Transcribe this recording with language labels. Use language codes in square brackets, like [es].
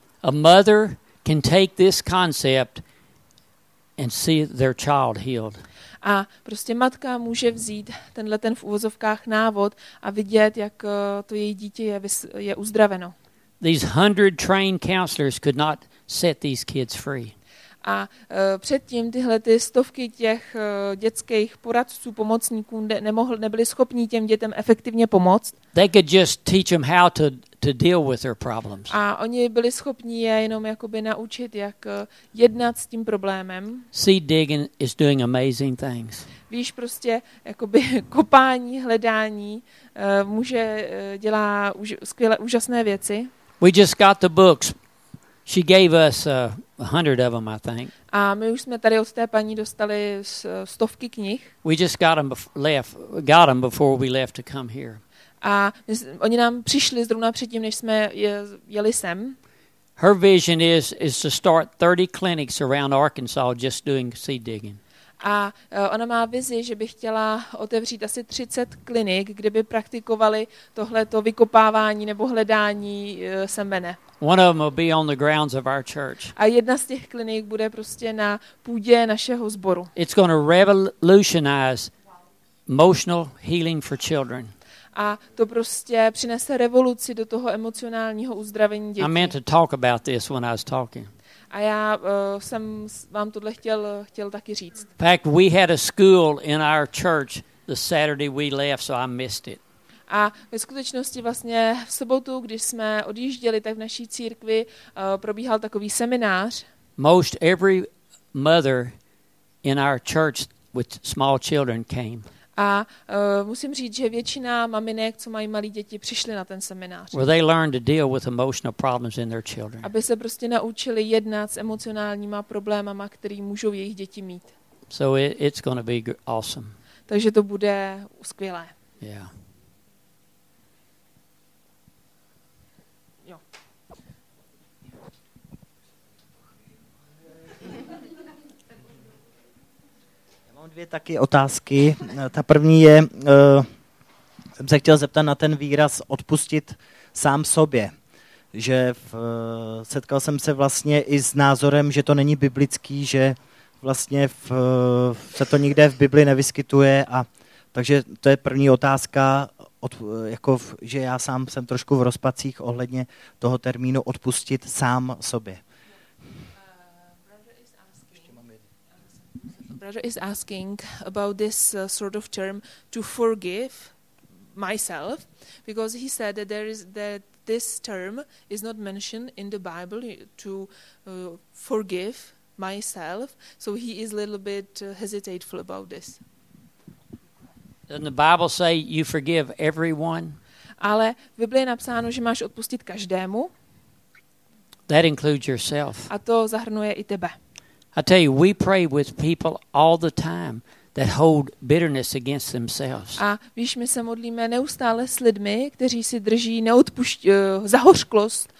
[en] A mother can take this concept and see their child healed. [cs] A prostě matka může vzít tenhle ten v uvozovkách návod a vidět, jak to její dítě je uzdraveno. [en] These 100 trained counselors could not set these kids free. [cs] A předtím tyhle ty stovky těch dětských poradců, pomocníků nebyli schopni těm dětem efektivně pomoct. [en] They could just teach them how to deal with their problems. [cs] A oni byli schopni je jenom jakoby naučit, jak jednat s tím problémem. [en] Seed digging is doing amazing things. [cs] Víš, prostě jakoby kopání, hledání může dělá skvělé, úžasné věci. [en] We just got the books. She gave us 100 of them, I think. [cs] A my už jsme tady od té paní dostali stovky knih. [en] We just got them before we left to come here. [cs] A oni nám přišli zrovna předtím, než jsme jeli sem. [en] Her vision is to start 30 clinics around Arkansas just doing seed digging. [cs] A ona má vizi, že by chtěla otevřít asi 30 klinik, kde by praktikovali tohleto vykopávání nebo hledání semene. [en] One of them will be on the grounds of our church. [cs] A jedna z těch klinik bude prostě na půdě našeho sboru. [en] It's going to revolutionize emotional healing for children. [cs] A to prostě přinese revoluci do toho emocionálního uzdravení dětí. [en] I meant to talk about this when I was talking. [cs] A já jsem vám tohle chtěl taky říct. [en] In fact, we had a school in our church the Saturday we left, so I missed it. [cs] A ve skutečnosti vlastně v sobotu, když jsme odjížděli, tak v naší církvi probíhal takový seminář. [en] Most every mother in our church with small children came. [cs] A musím říct, že většina maminek, co mají malé děti, přišly na ten seminář. [en] Where they learned to deal with emotional problems in their children. [cs] Aby se prostě naučili jednat s emocionálníma problémama, které můžou jejich děti mít. [en] So it's going to be awesome. [cs] Takže to bude skvělé. [en] Yeah. [cs] Dvě taky otázky. Ta první je, jsem se chtěl zeptat na ten výraz odpustit sám sobě. Že setkal jsem se vlastně i s názorem, že to není biblický, že vlastně se to nikde v Bibli nevyskytuje. A, takže to je první otázka, že já sám jsem trošku v rozpacích ohledně toho termínu odpustit sám sobě. [en] Brother is asking about this sort of term to forgive myself, because he said that there is that this term is not mentioned in the Bible to forgive myself. So he is a little bit hesitateful about this. Doesn't the Bible say you forgive everyone? [cs] Ale v Biblii je napsáno, že máš odpustit každému. [en] That includes yourself. [cs] A to zahrnuje i tebe. [en] I tell you, we pray with people all the time that hold bitterness against themselves. [cs] A víš, my se modlíme neustále s lidmi, kteří si drží zahořklost.